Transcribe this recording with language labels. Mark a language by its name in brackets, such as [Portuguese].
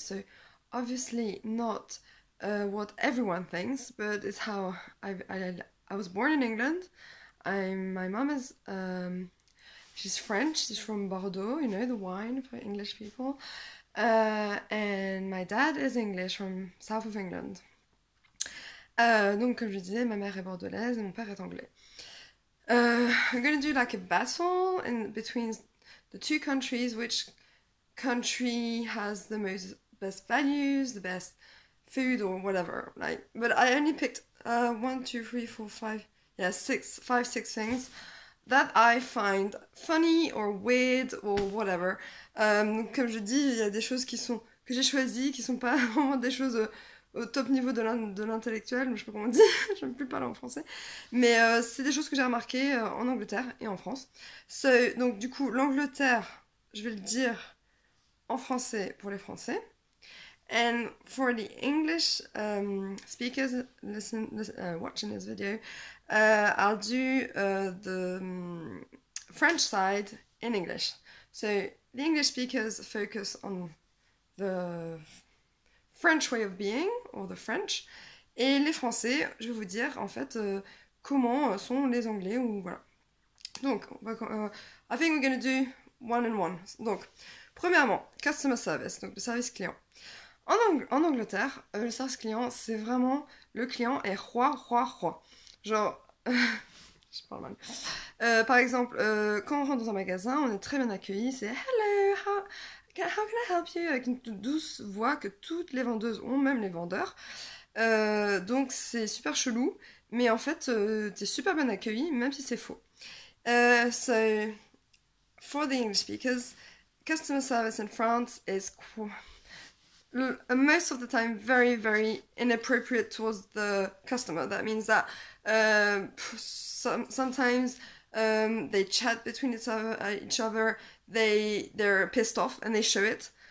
[English] So, obviously, not what everyone thinks, but it's how I was born in England. My mom is French, she's from Bordeaux, you know, the wine for English people. And my dad is English from south of England. [French] Donc, comme je disais, ma mère est bordelaise et mon père est anglais. [English] I'm gonna do like a battle in between the two countries, which country has the most best values, the best food or whatever, like, but I only picked 1, 2, 3, 4, 5, yeah, six things that I find funny or weird or whatever. [French] Comme je dis, il y a des choses qui sont que j'ai choisies qui sont pas vraiment des choses au top niveau de l'intellectuel, je sais pas comment on dit, j'aime plus parler en français, mais c'est des choses que j'ai remarquées en Angleterre et en France. Donc du coup, l'Angleterre, je vais le dire en français pour les Français. [English] And for the English speakers watching this video, I'll do the French side in English. So the English speakers focus on the French way of being, or the French. [French] Et les Français, je vais vous dire en fait comment sont les Anglais, ou voilà. [English] Donc, I think we're going to do one and one. [French] Donc, premièrement, [English] customer service, [French] donc le service client. En Angleterre, le service client, c'est vraiment... Le client est roi, roi, roi. Genre... je parle mal. Par exemple, quand on rentre dans un magasin, on est très bien accueilli. C'est « [English] Hello, how can I help you ?» [French] avec une douce voix que toutes les vendeuses ont, même les vendeurs. Donc, c'est super chelou. Mais en fait, t'es super bien accueilli, même si c'est faux. [English] For the English speakers, customer service in France is... most of the time very, very inappropriate towards the customer. That means that sometimes they chat between each other, they're pissed off and they show it.